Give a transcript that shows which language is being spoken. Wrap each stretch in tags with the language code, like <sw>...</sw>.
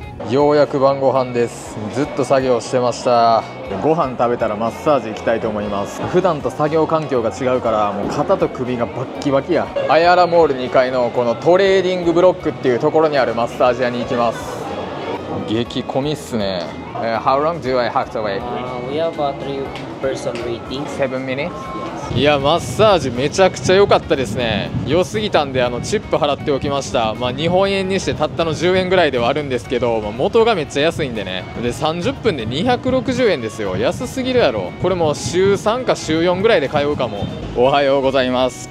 <ja>ようやく晩ご飯です。ずっと作業してました。ご飯食べたらマッサージ行きたいと思います。普段と作業環境が違うから、もう肩と首がバッキバキや。アヤラモール2階のこのトレーディングブロックっていうところにあるマッサージ屋に行きます。激込みっすね。</ja> <en>How long do I have to wait? We have a 3-person waiting. 7 minutes?</en> <ja>いや、マッサージめちゃくちゃ良かったですね。良すぎたんで、チップ払っておきました。まあ、日本円にしてたったの10円ぐらいではあるんですけど、まあ、元がめっちゃ安いんでね。で、30分で260円ですよ。安すぎるやろ。これもう週3か週4ぐらいで通うかも。おはようございます。</ja>